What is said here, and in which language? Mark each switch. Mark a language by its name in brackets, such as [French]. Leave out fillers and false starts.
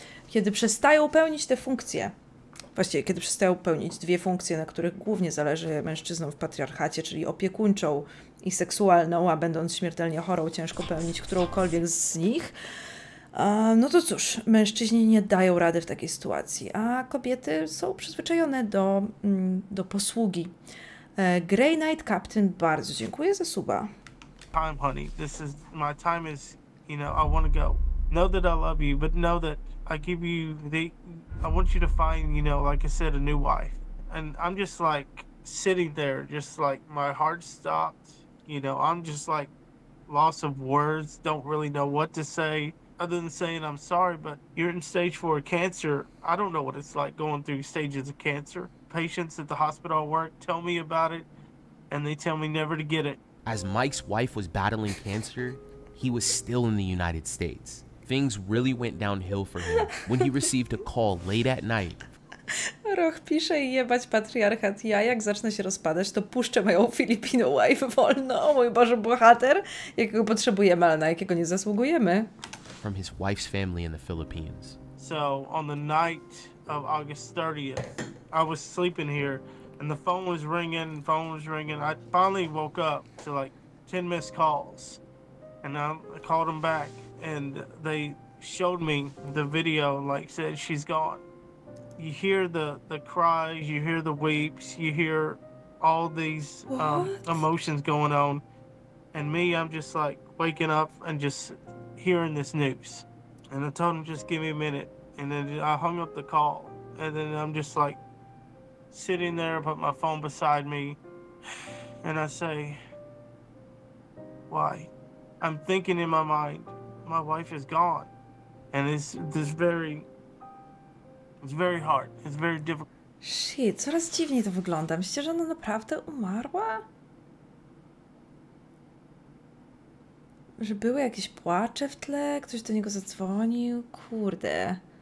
[Polish] Kiedy przestają pełnić te funkcje, właściwie kiedy przestają pełnić dwie funkcje, na których głównie zależy mężczyznom w patriarchacie, czyli opiekuńczą i seksualną, a będąc śmiertelnie chorą, ciężko pełnić którąkolwiek z nich, no to cóż, mężczyźni nie dają rady w takiej sytuacji, a kobiety są przyzwyczajone do posługi. Grey Knight Captain, bardzo dziękuję za suba. [English] Time, honey. This is my time is, you know, I want to go. Know that I love you, but know that I give you I want you to find, you know, like I said, a new wife. And I'm just like sitting there, just like my heart stopped, you know, I'm just like loss of words, don't really know what to say. Other than saying I'm sorry, but you're in stage 4 cancer. I don't know what it's like going through stages of cancer. Patients at the hospital work tell me about it, and they tell me never to get it. As Mike's wife was battling cancer, he was still in the United States. Things really went downhill for him when he received a call late at night. [Polish] Roch pisze i jebać patriarchat. Ja jak zacznę się rozpadać, to puszczę moją [English] Filipino wife [Polish] wolno. Mój Boże bohater, jakiego potrzebujemy, ale na jakiego nie zasługujemy. [English] From his wife's family in the Philippines. So on the night of August 30th, I was sleeping here and the phone was ringing. I finally woke up to like 10 missed calls and I called them back and they showed me the video and like said, she's gone. You hear the cries, you hear the weeps, you hear all these emotions going on. And me, I'm just like waking up and just hearing this news. And I told him, just give me a minute. And then I hung up the call. And then I'm just like sitting there, put my phone beside me. And I say, why? I'm thinking in my mind, my wife is gone. And it's very hard. It's very difficult. [Polish] Shit, coraz dziwniej to wygląda. Myślę, że ona naprawdę umarła? Że były jakieś płacze w tle? Ktoś do niego zadzwonił? Kurde.